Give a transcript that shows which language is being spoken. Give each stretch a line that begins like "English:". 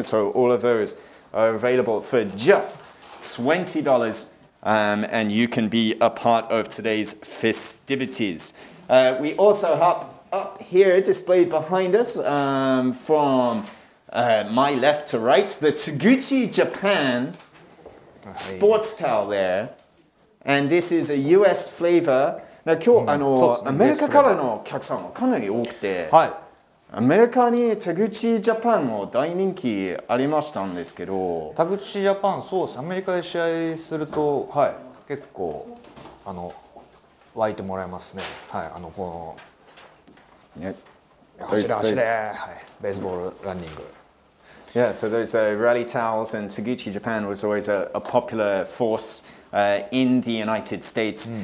English: So all of those are available for just $20, and you can be a part of today's festivities. We also have up here displayed behind us from my left to right, the Taguchi Japan sports towel there. And this is a US flavor.
Japanese: Now, 今日、アメリカからのお客さんはかなり多くて、はい、アメリカに Taguchi Japan も大人気ありましたんですけど、 Taguchi Japan、そうです、アメリカで試合すると、はい、結構湧いてもらえますね。はい、この、ね、走れ走れ、はい、ベースボールランニング。
English: Yeah, so those rally towels and Taguchi Japan was always a popular force in the United States.